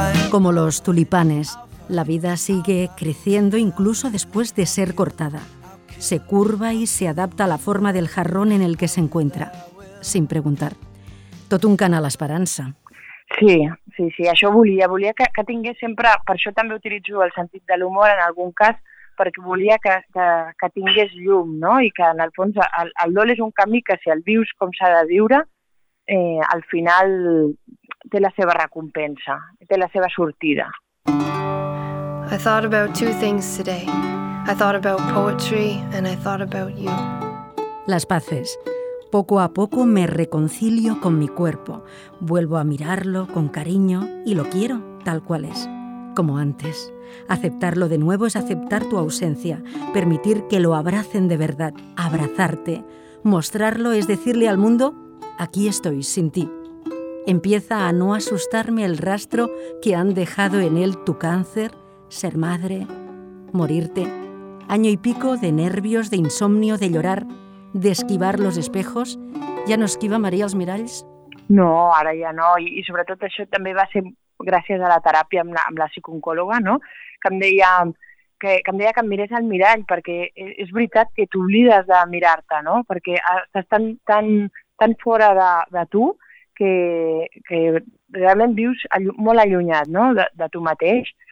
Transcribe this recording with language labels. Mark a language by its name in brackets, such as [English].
[Spanish] Como los tulipanes, la vida sigue creciendo incluso después de ser cortada. Se curva y se adapta a la forma del jarrón en el que se encuentra, sin preguntar. [Catalan] Tot un cant a l'esperança. Sí, sí, sí, això volia. Volia que tingués sempre, per això també utilitzo el sentit de l'humor en algun cas, perquè volia que tingués llum, no? I que en el fons el dol és un camí que si el vius com s'ha de viure, al final té la seva recompensa, té la seva sortida. [English] I thought about two things today. I thought about poetry and I thought about you. [Spanish] Las paces. Poco a poco me reconcilio con mi cuerpo. Vuelvo a mirarlo con cariño y lo quiero tal cual es, como antes. Aceptarlo de nuevo es aceptar tu ausencia, permitir que lo abracen de verdad, abrazarte, Mostrarlo es decirle al mundo, aquí estoy sin ti. Empieza a no asustarme el rastro que han dejado en él tu cáncer, ser madre, morirte. Año y pico de nervios, de insomnio, de llorar, de esquivar los espejos. [Catalan] ¿Ja no esquiva María els miralls? No, ara ja no. I sobretot això també va ser gràcies a la teràpia amb la psicòloga, no? Que em deia que em mirés al mirall, perquè és veritat que t'oblides de mirar-te, no? Perquè estàs tan fora de tu que realment vius molt allunyat, no? De tu mateix.